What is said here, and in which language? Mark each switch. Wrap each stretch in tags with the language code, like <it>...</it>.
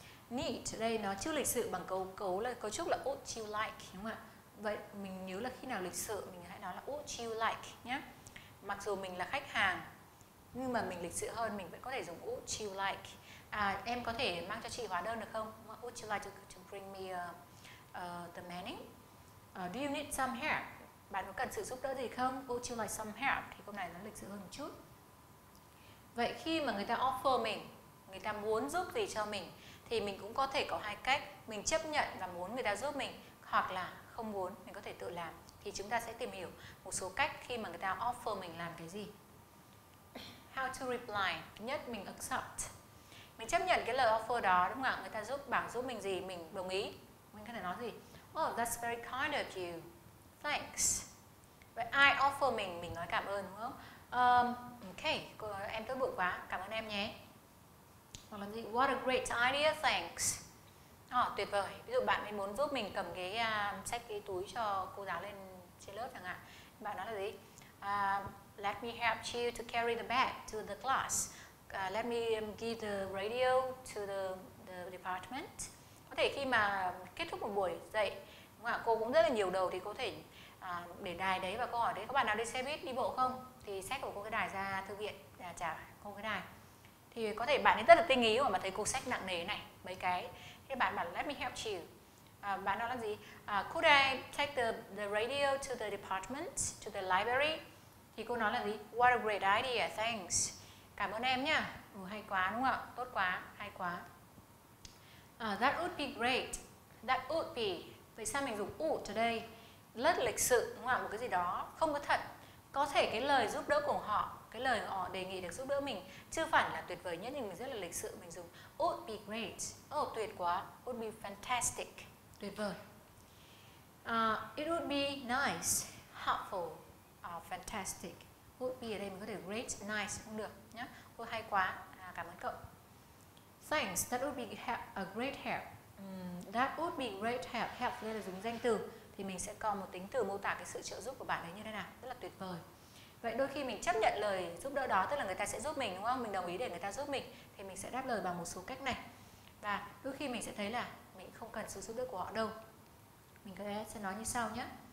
<vi>Need, đây nó chưa lịch sự bằng cấu trúc là</vi> <en>would you like,</en> <vi>đúng không ạ? Vậy mình nhớ là khi nào lịch sự mình hãy nói là</vi> <en>would you like</en> <vi>nhé. Mặc dù mình là khách hàng nhưng mà mình lịch sự hơn mình vẫn có thể dùng</vi> <en>would you like.</en> <vi>Em có thể mang cho chị hóa đơn được không?</vi> <en>Would you like to bring me the money? Do you need some help?</en> <vi>Bạn có cần sự giúp đỡ gì không?</vi> <en>Would you like some help?</en> <vi>Thì câu này nó lịch sự hơn một chút. Vậy khi mà người ta offer mình, người ta muốn giúp gì cho mình thì mình cũng có thể có hai cách. Mình chấp nhận và muốn người ta giúp mình, hoặc là không muốn, mình có thể tự làm. Thì chúng ta sẽ tìm hiểu một số cách khi mà người ta offer mình làm cái gì.</vi> <en>How to reply.</en> <vi>Nhất, mình accept. Mình chấp nhận cái lời offer đó, đúng không ạ? Người ta giúp bảo giúp mình gì, mình đồng ý. Mình có thể nói gì?</vi> <en>Oh, that's very kind of you. Thanks.</en> <vi>Vậy ai offer mình nói cảm ơn, đúng không? Okay, em tốt bụng quá, cảm ơn em nhé. Hoặc là gì?</vi> <en>What a great idea, thanks.</en> <vi>Tuyệt vời. Ví dụ bạn ấy muốn giúp mình cầm cái sách cái túi cho cô giáo lên trên lớp chẳng hạn. Bạn nói là gì?</vi> <en>Let me help you to carry the bag to the class. Let me give the radio to the department.</en> <vi>Có thể khi mà kết thúc một buổi dạy, đúng không ạ? Cô cũng rất là nhiều đầu thì có thể để đài đấy và cô hỏi đấy, có bạn nào đi xe buýt đi bộ không? Thì sách của cô cái đài ra thư viện trả cô cái đài. Thì có thể bạn ấy rất là tinh ý mà thấy cô sách nặng nề này mấy cái. Thế bạn bảo</vi> <en>let me help you.</en> <vi>Bạn nói là gì?</vi> <en>Could I take the radio to the department, to the library?</en> <vi>Thì cô nói là gì?</vi> <en>What a great idea, thanks.</en> <vi>Cảm ơn em nhá. Hay quá đúng không ạ? Tốt quá, hay quá.</vi> <en>That would be great. That would be.</en> <vi>Vậy sao mình dùng would ở đây? Rất lịch sự đúng không ạ? Một cái gì đó không có thật. có thể cái lời giúp đỡ của họ, cái lời họ đề nghị được giúp đỡ mình chưa phải là tuyệt vời nhất, nhưng mình rất là lịch sự, mình dùng</vi> <en>would be great,</en> <vi>oh tuyệt quá,</vi> <en>would be fantastic,</en> <vi>tuyệt vời,</vi> <en>it would be nice, helpful, fantastic, would be</en> <vi>ở đây mình có thể great, nice cũng được nhé, oh hay quá, cảm ơn cậu,</vi> <en>thanks, that would be a great help, that would be great help, help</en> <vi>đây là dùng danh từ, thì mình sẽ có một tính từ mô tả cái sự trợ giúp của bạn ấy như thế nào, rất là tuyệt vời. Vậy đôi khi mình chấp nhận lời giúp đỡ đó, tức là người ta sẽ giúp mình đúng không? Mình đồng ý để người ta giúp mình, thì mình sẽ đáp lời bằng một số cách này. Và đôi khi mình sẽ thấy là mình không cần sự giúp đỡ của họ đâu. Mình sẽ nói như sau nhé.</vi>